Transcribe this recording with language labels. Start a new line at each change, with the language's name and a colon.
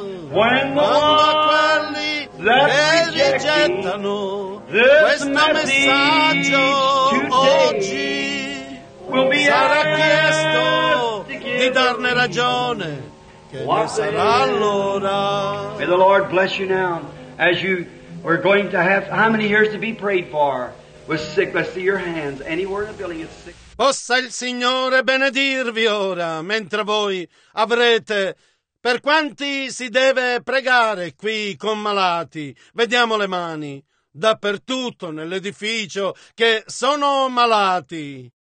Italian: Quando quelli che rigettano questo messaggio oggi, sarà chiesto di darne ragione, che ne sarà allora?
English: May the Lord bless you now as you. We're going to have, how many here is to be prayed for? With sick, let's see your hands. Anywhere in the building is sick.
Italian: Possa il Signore benedirvi ora, mentre voi avrete, per quanti si deve pregare qui con malati. Vediamo le mani, dappertutto nell'edificio, che sono malati.